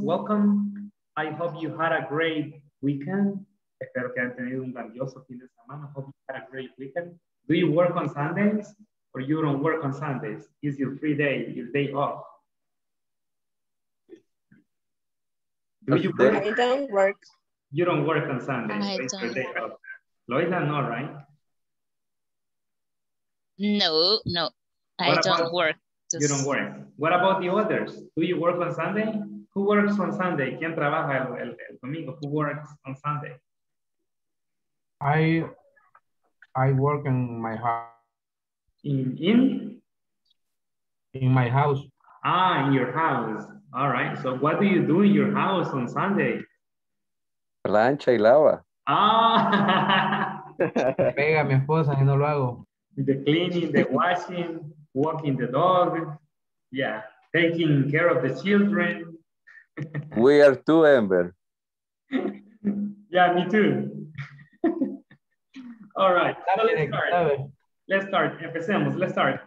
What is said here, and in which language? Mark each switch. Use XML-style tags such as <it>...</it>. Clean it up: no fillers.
<en>Welcome. I hope you had a great weekend.</en> <es>Espero que hayan tenido un grandioso fin de semana.</es> <en>I hope you had a great weekend. Do you work on Sundays or you don't work on Sundays? Is your free day, your day off? Do you work? I don't work. You don't work on Sundays. Loila, no, right? No. I don't work. You don't work. What about the others? Do you work on Sunday? Who works on Sunday?</en> <es>¿Quién trabaja el domingo?</es> <en>Who works on Sunday? I work in my house. In my house. Ah, in your house. All right. So what do you do in your house on Sunday?</en> <es>Plancha y lava. Ah. Pega a mi esposa y no lo hago.</es> <en>The cleaning, the washing. Walking the dog, yeah, taking care of the children. We are two, Amber. Yeah, me too. All right, so let's start. Empecemos, let's start.</en>